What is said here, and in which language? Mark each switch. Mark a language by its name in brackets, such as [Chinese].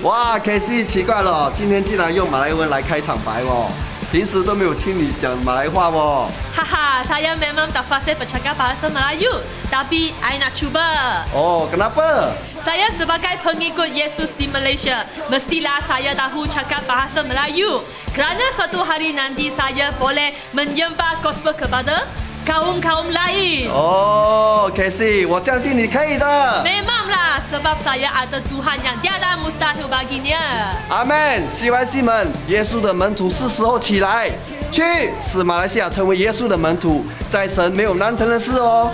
[Chinese] 哇 ，Casey 奇怪了，今天竟然用马来文来开场白哦。平时都没有听你讲马来话哦。 [Malay] 哈哈 ，saya memang tak fasih bercakap bahasa Melayu, tapi saya nak cuba. Oh, kenapa? Saya sebagai pengikut Yesus di Malaysia, mestilah saya tahu cakap bahasa Melayu. Kerana suatu hari nanti saya boleh menyebar gospel kepada kaum-kaum lain. [Chinese] Oh, Casey, 我相信你可以的。 [Malay] Memang lah, sebab saya ada Tuhan yang tiada mustahil baginya. [Chinese] Amen, CYC 们，耶稣的门徒是时候起来，去使马来西亚成为耶稣的门徒，在神没有难成的事哦。